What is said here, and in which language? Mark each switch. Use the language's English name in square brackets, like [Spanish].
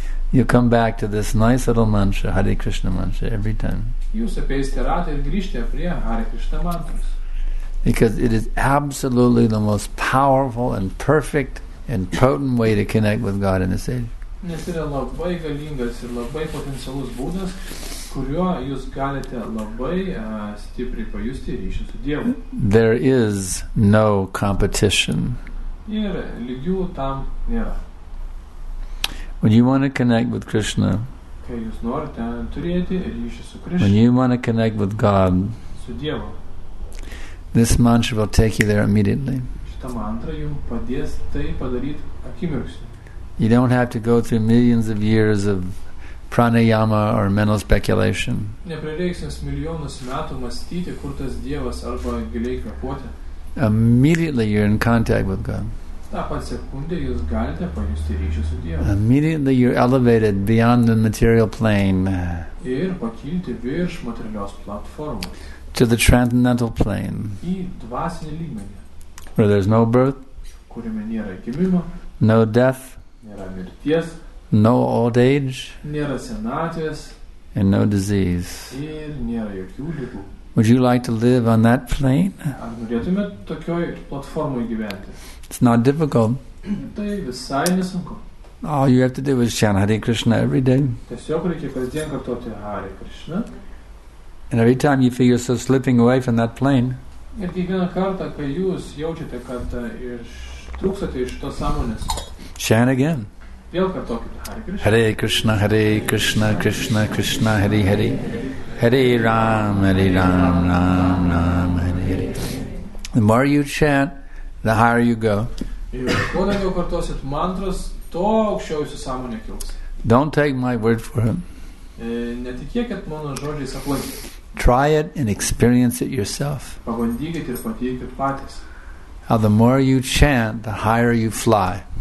[English] you come back to this nice little mantra, Hare Krishna mantra, every time. [Lithuanian] Jūs apeisite ratą ir grįžti prie Hare Krishna mantras. [English] Because it is absolutely the most powerful and perfect and potent way to connect with God in this age. [Lithuanian] Nes yra labai galingas ir labai potencialus būdas, kuriuo jūs galite labai stipriai pajusti ryšį su Dievu. [English] There is no competition. [Lithuanian] Ir lygių tam nėra. [English] When you want to connect with Krishna, [Lithuanian] kai jūs norite turėti ryšį su Krishna, [English] when you want to connect with God, [Lithuanian] su Dievu, [English] this mantra will take you there immediately. [Lithuanian] Šita mantra jums padės tai padaryti akimirksniu. [English] You don't have to go through millions of years of pranayama or mental speculation. [Lithuanian] Neprireiks jums milijonus metų mąstyti, kur tas Dievas arba giliai kvėpuoti. [English] Immediately you're in contact with God. [Lithuanian] Tą pat sekundę jūs galite pajusti ryšį su Dievu. [English] Immediately you're elevated beyond the material plane. [Lithuanian] Ir pakilti virš materialios platformos. [English] To the transcendental plane. [Lithuanian] Į dvasinį lygmenį. [English] Where there's no birth. [Lithuanian] Kuriame nėra gimimo. [English] No death. [Lithuanian] Nėra mirties. [English] No old age. [Lithuanian] Nėra senatvės. [English] And no disease. [Lithuanian] Ir nėra jokių ligų. [English] Would you like to live on that plane? [Lithuanian] Ar norėtumėt tokioj platformoj gyventi? [English] It's not difficult. [Lithuanian] Tai visai nesunku. [English] All you have to do is chant Hare Krishna every day. [Lithuanian] Tiesiog reikia kasdien kartoti Hare Krishna. [English] And every time you feel yourself slipping away from that plane, [Lithuanian] ir kiekvieną kartą, kai jūs jaučiate, kad ištrūkstate iš tos sąmonės, [English] chant again. [Lithuanian] Vėl kartokite Hare Krishna. [Sanskrit] Hare Krishna, Hare Krishna, Krishna Krishna, Hare Hare. Hare Ram, Hare Ram, Ram Ram, Hare Hare. [English] The more you chant, the higher you go. [Lithuanian] Kuo daugiau kartosit mantras, to aukščiau jūsų sąmonė kils. [English] Don't take my word for it. [Lithuanian] Netikėkit mano žodžiais aplink. [English] try it and experience it yourself. [Lithuanian] Pabandykit ir patyrėkit patys. [English] How the more you chant, the higher you fly.